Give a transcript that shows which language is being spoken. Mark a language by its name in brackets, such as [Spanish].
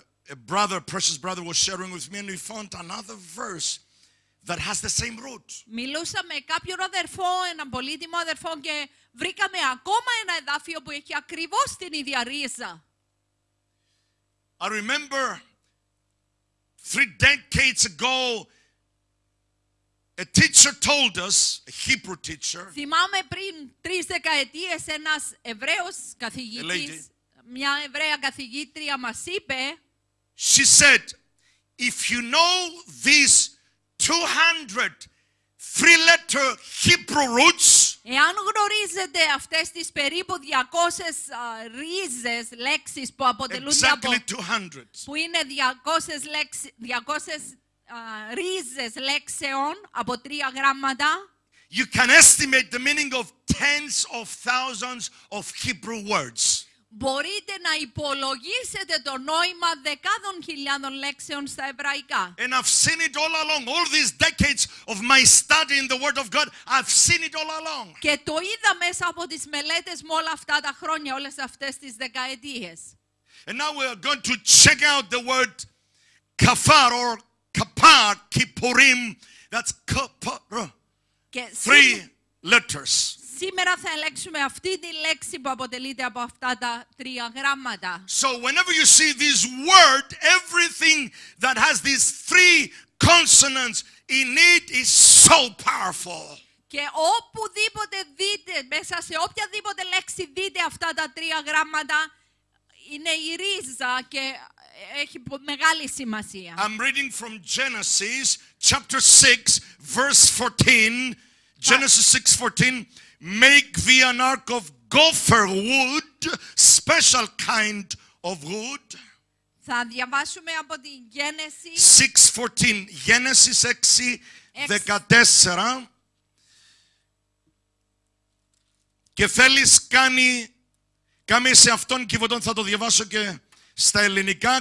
[English] A precious brother was sharing with me, and we found another verse that has the same root. [Greek] Μιλούσα με κάποιον αδερφό, έναν πολύτιμο αδερφό, και βρήκαμε ακόμα ένα εδάφιο που έχει ακριβώς την ίδια ρίζα. [English] I remember 3 decades ago. A teacher told us, a Hebrew teacher. [Greek] Θυμάμαι πριν 3 δεκαετίες ένας Εβραίος καθηγητής, μια Εβραία καθηγήτρια μας είπε. [English] She said, if you know these 200 three-letter Hebrew roots. [Greek] Εάν γνωρίζετε αυτές τις περίπου 200 ρίζες, λέξεις που αποτελούνται [English] exactly [Greek] από... 200. Που είναι 200, λέξεις, 200 ρίζες λέξεων από τρία γράμματα. [English] You can estimate the meaning of tens of thousands of Hebrew words. [Greek] Μπορείτε να υπολογίσετε το νόημα δεκάδων χιλιάδων λέξεων στα εβραϊκά. [English] And I've seen it all along, all these decades of my study in the Word of God, I've seen it all along. [Greek] Και το είδα μέσα από τις μελέτες μου όλα αυτά τα χρόνια, όλες αυτές τις δεκαετίες. [English] And now we are going to check out the word kafar or kapar, kippurim, that's kapar. Three letters. [Greek] Σήμερα θα ελέγξουμε αυτή τη λέξη που αποτελείται από αυτά τα τρία γράμματα. [English] So whenever you see this word, everything that has these three consonants in it is so powerful. [Greek] Και οπουδήποτε δείτε, μέσα σε οποιαδήποτε λέξη δείτε αυτά τα τρία γράμματα, είναι η ρίζα και έχει μεγάλη σημασία. [English] I'm reading from Genesis chapter 6 verse 14. Genesis 6:14. Make thee an ark of gopher wood, special kind of wood. [Greek] Θα διαβάσουμε από τη Γένεση [English] 6:14. Genesis 6:14. [Greek] Και θέλεις κάμε σε αυτόν κυβωτόν, θα το διαβάσω και στα ελληνικά.